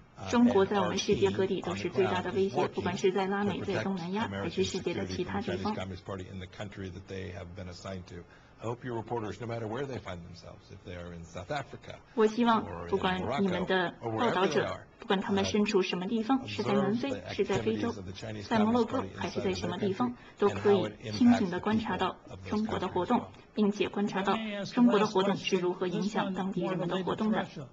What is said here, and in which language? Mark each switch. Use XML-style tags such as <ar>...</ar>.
<zh>中国在我们世界各地都是最大的威胁，不管是在拉美、在东南亚，还是世界的其他地方。</zh> <en>Communist Party in the country that they have been assigned to. I hope your reporters, no matter where they find themselves, if they are in South Africa,</en> <zh>我希望不管你们的报道者，不管他们身处什么地方，是在南非，是在非洲，在摩洛哥，还是在什么地方，都可以清醒地观察到中国的活动，并且观察到中国的活动是如何影响当地人们的活动的。</zh>